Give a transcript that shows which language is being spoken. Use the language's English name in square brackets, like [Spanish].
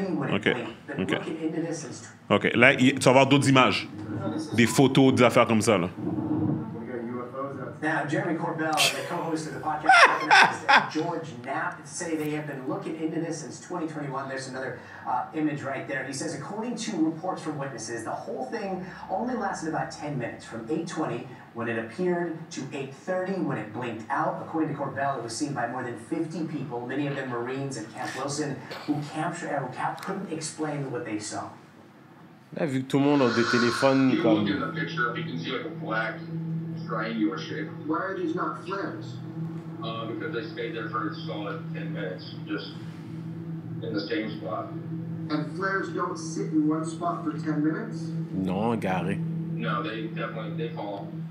[French] Ok. Là, tu vas avoir d'autres images, des photos, des affaires comme ça là. [English] Now, Jeremy Corbell, the co-host of the podcast, and George Knapp say they have been looking into this since 2021. There's another image right there. He says, according to reports from witnesses, the whole thing only lasted about 10 minutes, from 8:20 when it appeared to 8:30 when it blinked out. According to Corbell, it was seen by more than 50 people, many of them Marines at Camp Wilson, who couldn't explain what they saw. [French] Là, vu que tout le monde a des téléphones comme... [English] You can see like a black triangular shape. Why are these not flares? Because they stayed there for a solid 10 minutes, just in the same spot. And flares don't sit in one spot for 10 minutes? [French] Non, Gary. [English] No, they definitely, they fall.